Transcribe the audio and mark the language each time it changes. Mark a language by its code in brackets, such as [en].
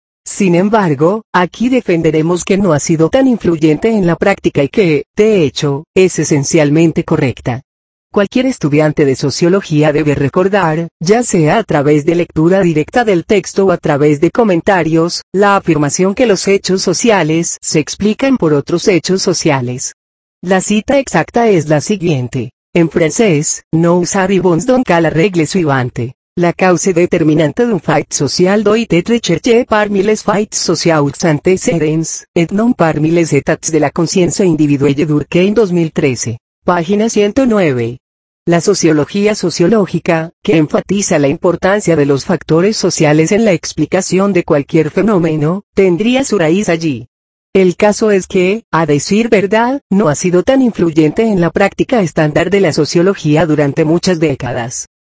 [es] Sin embargo, aquí defenderemos que no ha sido tan influyente en la práctica y que, de hecho, es esencialmente correcta. Cualquier estudiante de sociología debe recordar, ya sea a través de lectura directa del texto o a través de comentarios, la afirmación que los hechos sociales se explican por otros hechos sociales. La cita exacta es la siguiente. En francés, [fr] nous arrivons donc à la règle suivante. La cause déterminante d'un fait social doit être cherchée parmi les faits sociaux antécédents, et non parmi les états de la conscience individuelle Durkheim 2013. [es] Página 109. La sociología sociológica, que enfatiza la importancia de los factores sociales en la explicación de cualquier fenómeno, tendría su raíz allí. El caso es que, a decir verdad, no ha sido tan influyente en la práctica estándar de la sociología durante muchas décadas.